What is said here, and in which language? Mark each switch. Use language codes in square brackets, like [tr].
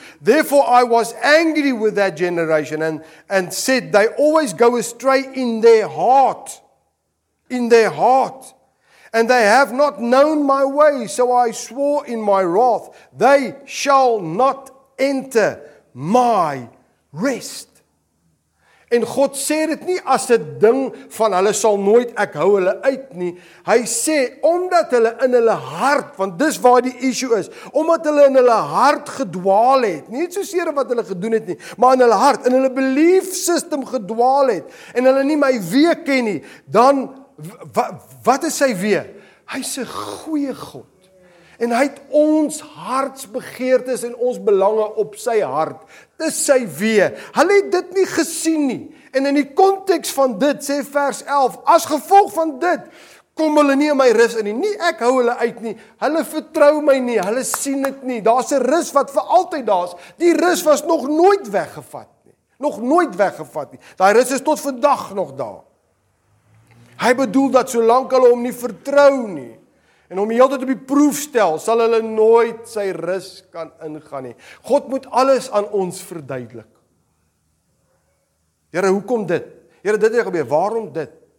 [en] Therefore I was angry with that generation and said, they always go astray in their heart. In their heart. And they have not known my way, so I swore in my wrath, they shall not enter my rest. [af] En God sê dit nie as 'n ding van hulle sal nooit, ek hou hulle uit nie. Hy sê, omdat hulle in hulle hart, want dis waar die issue is, omdat hulle in hulle hart gedwaal het, nie so seer wat hulle gedoen het nie, maar in hulle hart, in hulle belief system gedwaal het, en hulle nie my wee ken nie, dan, wat is sy wee? Hy is 'n goeie God. En hy het ons hartsbegeertes en ons belange op sy hart. Dis sy wee. Hulle het dit nie gesien nie. En in die context van dit, sê vers 11, as gevolg van dit, kom hulle nie in my rus in nie. Nie ek hou hulle uit nie. Hulle vertrou my nie. Hulle sien dit nie. Daar is 'n rus wat vir altyd daar is. Die rus was nog nooit weggevat nie. Nog nooit weggevat nie. Daai rus is tot vandag nog daar. Hy bedoel dat solank hulle hom nie vertrou nie, en om die hele tyd op die proef stel, sal hulle nooit sy rus kan ingaan nie. God moet alles aan ons verduidelik. Here, hoekom dit? Here, dit het gebeur, waarom dit?